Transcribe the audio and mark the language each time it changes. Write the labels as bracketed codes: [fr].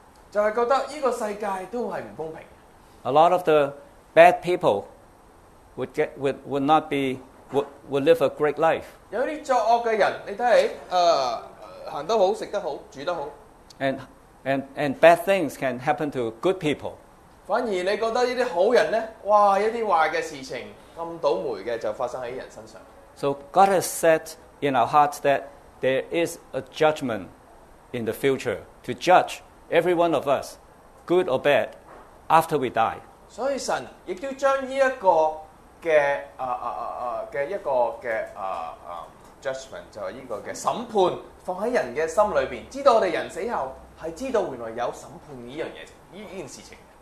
[yue] 就係覺得呢個世界都係唔公平。 [en] A lot of the bad people would live a great life. [yue] 有啲作惡嘅人，你睇起，行得好，食得好，住得好。 [en] And bad things can happen to good people. [yue] 反而你覺得呢啲好人咧，哇！一啲壞嘅事情咁倒霉嘅就發生喺人身上。 [en] So God has said in our hearts that there is a judgment in the future to judge. Every one of us, good or bad, after we die. [yue] 所以神亦都將呢一個嘅一個嘅judgment 就係呢個嘅審判放喺人嘅心裏邊，知道我哋人死後係知道原來有審判呢樣嘢，呢件事情。